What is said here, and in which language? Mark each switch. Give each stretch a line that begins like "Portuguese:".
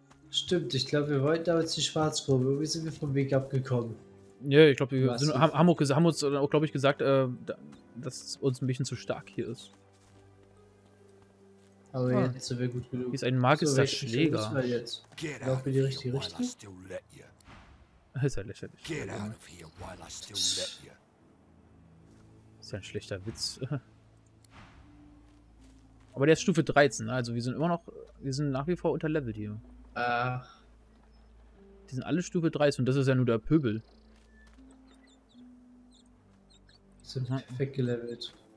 German: stimmt, ich glaube, wir wollten damals die Schwarzgrube. Irgendwie sind wir vom Weg abgekommen. Ja, ich glaube, wir haben uns auch, glaube ich, gesagt, dass es uns ein bisschen zu stark hier ist. Aber jetzt sind wir gut genug. Hier ist ein magischer Schläger. Laufen wir die richtige Richtung? Ist ja lächerlich.
English: Get out of here while I still let you.
German: Ist ja ein schlechter Witz. Aber der ist Stufe 13, also wir sind immer noch. Wir sind nach wie vor unterlevelt hier. Ach. Die sind alle Stufe 13 und das ist ja nur der Pöbel. Sind perfekt gelevelt.